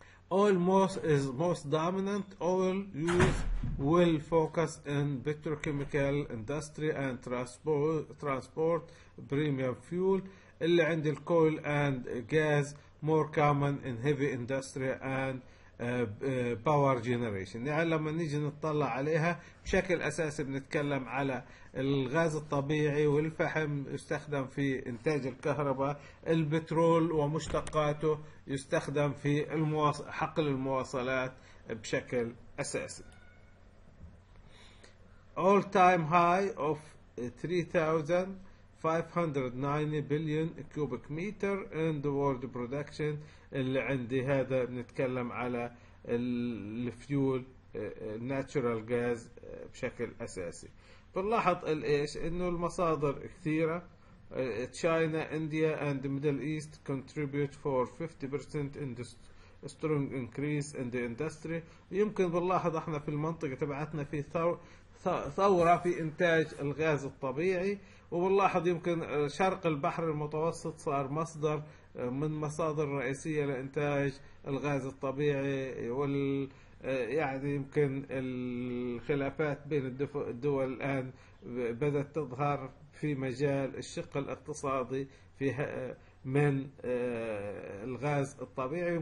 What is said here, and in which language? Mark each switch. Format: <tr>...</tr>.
<en>Almost is most dominant oil use will focus in petrochemical industry and transport premium fuel.</en> <ar>اللي عند</ar> <en>الكويل and gas more common in heavy industry and power generation.</en> <ar>يعني لما نيجي نطلع عليها بشكل اساسي بنتكلم على الغاز الطبيعي والفحم يستخدم في انتاج الكهرباء، البترول ومشتقاته يستخدم في حقل المواصلات بشكل اساسي.</ar> <en>All time high of 3,590 billion cubic meter in the world production.</en> <ar>اللي عندي هذا بنتكلم على</ar> <en>الفيول الناتشورال غاز</en> <ar>بشكل أساسي. بنلاحظ الإيش إنه المصادر كثيرة.</ar> <en>China India and the Middle East contribute for 50% in the strong increase in the industry.</en> <ar>يمكن بنلاحظ إحنا في المنطقة تبعتنا في ثورة في إنتاج الغاز الطبيعي، وبنلاحظ يمكن شرق البحر المتوسط صار مصدر من مصادر رئيسية لإنتاج الغاز الطبيعي، يعني يمكن الخلافات بين الدول الآن بدأت تظهر في مجال الشق الاقتصادي من الغاز الطبيعي.</ar>